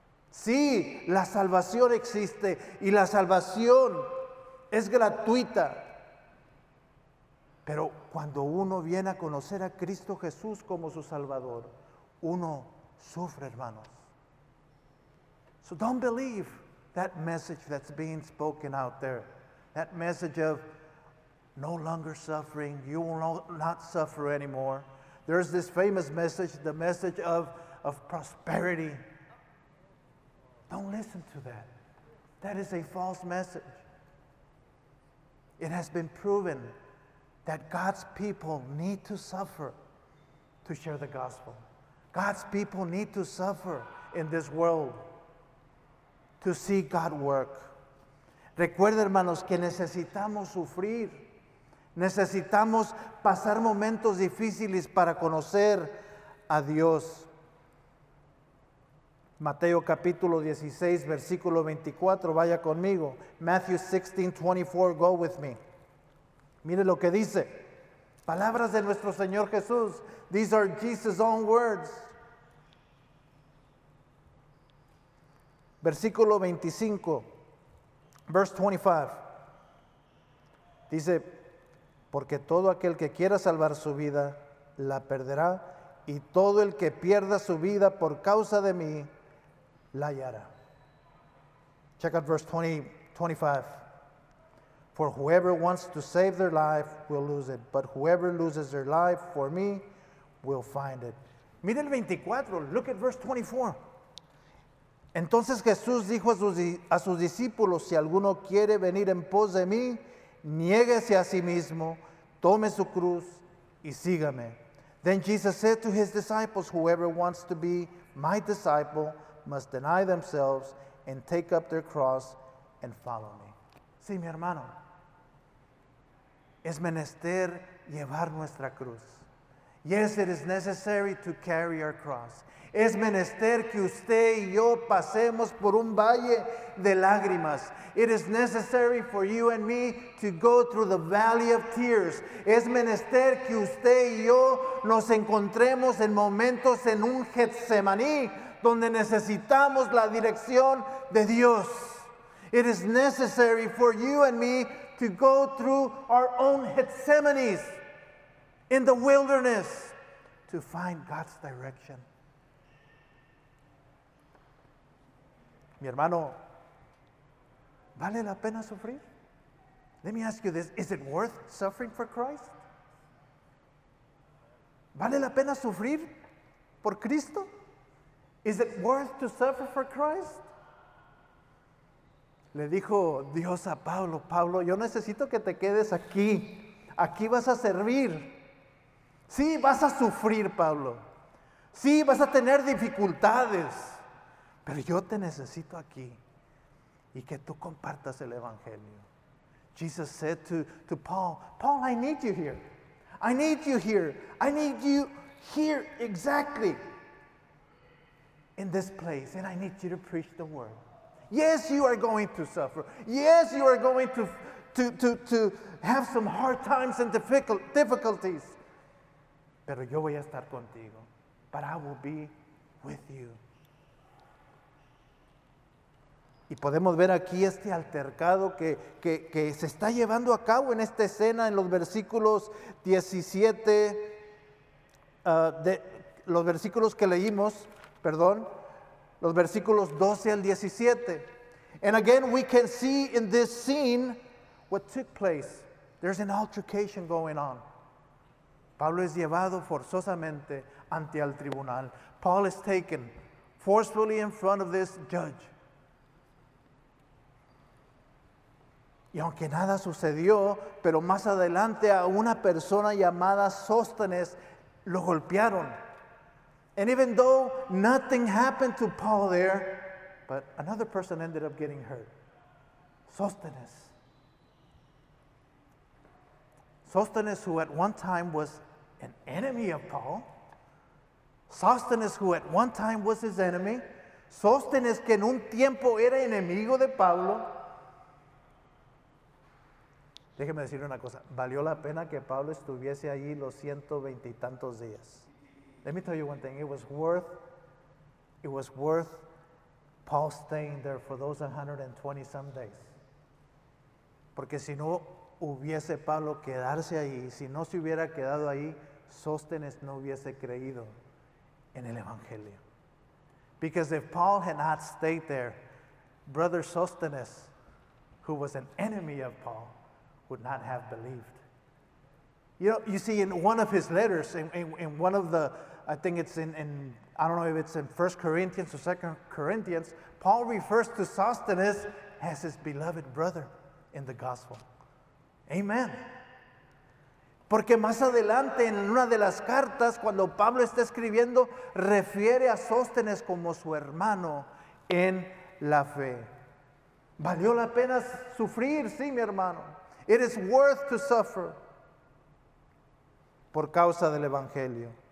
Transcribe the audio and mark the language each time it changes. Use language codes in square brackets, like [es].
[es] Sí, la salvación existe y la salvación es gratuita. Pero cuando uno viene a conocer a Cristo Jesús como su Salvador, uno sufre, hermanos. [en] So don't believe that message that's being spoken out there. That message of no longer suffering, you will not suffer anymore. There's this famous message, the message of prosperity. Don't listen to that. That is a false message. It has been proven that God's people need to suffer to share the gospel. God's people need to suffer in this world to see God work. [es] Recuerda, hermanos, que necesitamos sufrir. Necesitamos pasar momentos difíciles para conocer a Dios. Mateo capítulo 16, versículo 24, vaya conmigo. [en] Matthew 16, 24, go with me. [es] Mire lo que dice, palabras de nuestro Señor Jesús. [en] These are Jesus' own words. [es] Versículo 25, [en] verse 25. [es] Dice, porque todo aquel que quiera salvar su vida, la perderá. Y todo el que pierda su vida por causa de mí, la hallará. [en] Check out verse 25. For whoever wants to save their life will lose it, but whoever loses their life for me will find it. [es] Mira el 24, [en] look at verse 24. [es] Entonces Jesús dijo a sus discípulos, si alguno quiere venir en pos de mí, niéguese a sí mismo, tome su cruz y sígame. [en] Then Jesus said to his disciples, whoever wants to be my disciple must deny themselves and take up their cross and follow me. [es] Sí, mi hermano, es menester llevar nuestra cruz. [en] Yes, it is necessary to carry our cross. [es] Es menester que usted y yo pasemos por un valle de lágrimas. [en] It is necessary for you and me to go through the valley of tears. [es] Es menester que usted y yo nos encontremos en momentos en un Getsemaní donde necesitamos la dirección de Dios. [en] It is necessary for you and me to go through our own Getsemanes in the wilderness to find God's direction. [es] Mi hermano, ¿vale la pena sufrir? [en] Let me ask you this, is it worth suffering for Christ? [es] ¿Vale la pena sufrir por Cristo? [en] Is it worth to suffer for Christ? [es] Le dijo Dios a Pablo, Pablo, yo necesito que te quedes aquí. Aquí vas a servir. Sí, vas a sufrir, Pablo. Sí, vas a tener dificultades. Pero yo te necesito aquí y que tú compartas el Evangelio. [en] Jesus said to Paul, Paul, I need you here. I need you here. I need you here exactly in this place. And I need you to preach the word. Yes, you are going to suffer. Yes, you are going to have some hard times and difficulties. [es] Pero yo voy a estar contigo. [en] But I will be with you. [es] Y podemos ver aquí este altercado que se está llevando a cabo en esta escena en los versículos 17, los versículos 12 al 17. [en] And again, we can see in this scene what took place. There's an altercation going on. [es] Pablo es llevado forzosamente ante el tribunal. [en] Paul is taken forcefully in front of this judge. [es] Y aunque nada sucedió, pero más adelante a una persona llamada Sóstenes lo golpearon. [en] And even though nothing happened to Paul there, but another person ended up getting hurt. Sóstenes. Sóstenes, who at one time was an enemy of Paul. Sóstenes, who at one time was his enemy. [es] Sóstenes, que en un tiempo era enemigo de Pablo. Déjeme decir una cosa, valió la pena que Pablo estuviese allí los 120 y tantos días. [en] Let me tell you one thing, it was worth Paul staying there for those 120 some days. [es] Porque si no hubiese Pablo quedarse ahí, si no se hubiera quedado ahí, Sóstenes no hubiese creído en el Evangelio. [en] Because if Paul had not stayed there, brother Sóstenes, who was an enemy of Paul, would not have believed. You know, you see, in one of his letters, in one of the, I think it's in, I don't know if it's in 1 Corinthians or 2 Corinthians, Paul refers to Sóstenes as his beloved brother in the gospel. Amen. [es] Porque más adelante, en una de las cartas, cuando Pablo está escribiendo, refiere a Sóstenes como su hermano en la fe. ¿Valió la pena sufrir? Sí, mi hermano. [en] It is worth to suffer [es] por causa del Evangelio.